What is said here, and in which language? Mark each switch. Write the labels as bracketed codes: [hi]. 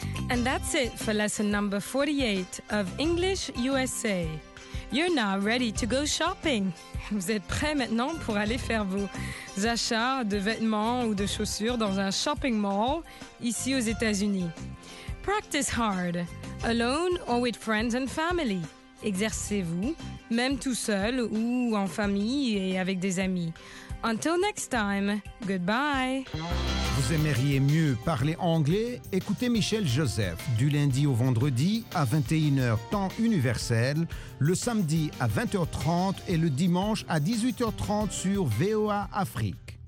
[en] And that's it for lesson number 48 of English USA. You're now ready to go shopping. [fr] Vous êtes prêts maintenant pour aller faire vos achats de vêtements ou de chaussures dans un shopping mall ici aux États-Unis. [en] Practice hard, alone or with friends and family. [fr] Exercez-vous, même tout seul ou en famille et avec des amis. [en] Until next time, goodbye. [fr] Vous aimeriez mieux parler anglais? Écoutez Michel Joseph du lundi au vendredi à 21h temps universel, le samedi à 20h30 et le dimanche à 18h30 sur VOA Afrique.